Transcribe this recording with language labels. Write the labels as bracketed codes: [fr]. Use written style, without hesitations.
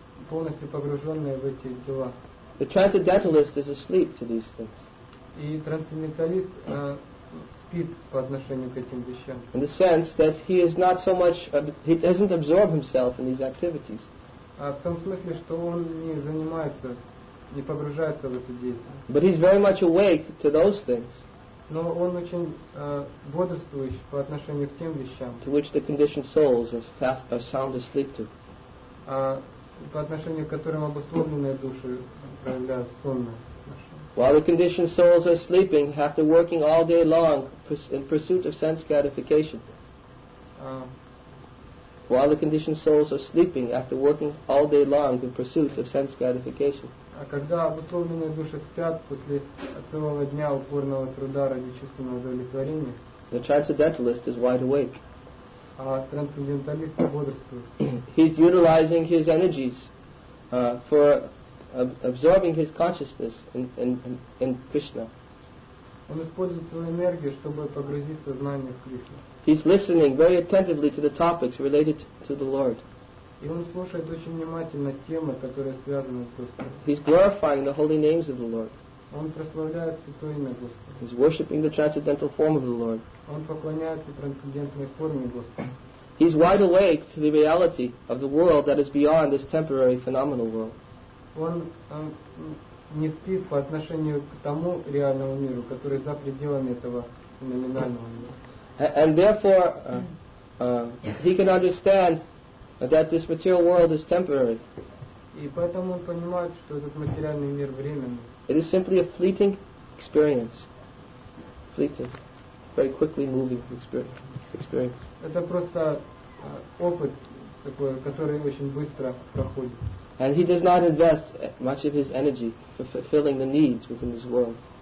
[ru] Полностью погруженные в эти дела. [en] The transcendentalist is asleep to these things. [ru] И трансценденталист спит по отношению к этим вещам. [en] In the sense that he is not so much, he doesn't absorb himself in these activities. [ru] В том смысле, что он не занимается, не погружается в эту деятельность. [en] But he's very much awake to those things. [ru] Но он очень бодрствующий по отношению к тем вещам, [en] to which the conditioned souls are sound asleep to. [ru] По отношению к которым обусловленные души проявляют сонное. [en] While the conditioned souls are sleeping, after working all day long in pursuit of sense gratification. While the conditioned souls are sleeping, after working all day long in pursuit of sense gratification. [ru] А когда обусловленные души спят после целого дня упорного труда ради чувственного удовлетворения, [en] the transcendentalist is wide awake. [ru] А трансценденталист бодрствует. [en] He's utilizing his energies for absorbing his consciousness in Krishna. [ru] Он использует свою энергию, чтобы погрузиться в знание Кришны. [en] He's listening very attentively to the topics related to the Lord. [ru] И он слушает очень внимательно темы, которые связаны с Господом. [en] He's glorifying the holy names of the Lord. [ru] Он прославляет святое имя Господа. [en] He's worshiping the transcendental form of the Lord. [ru] Он поклоняется трансцендентной форме Господа. [en] He's wide awake to the reality of the world that is beyond this temporary phenomenal world. [ru] Он не спит по отношению к тому реальному миру, который за пределами этого номинального мира. [en] And therefore, he can understand that this material world is temporary. [ru] И поэтому он понимает, что этот материальный мир временный. [en] It is simply a fleeting experience. Fleeting. Very quickly moving experience. [ru] Это просто опыт такой, который очень быстро проходит. [en] And he does not invest much of his energy for fulfilling the needs within this world.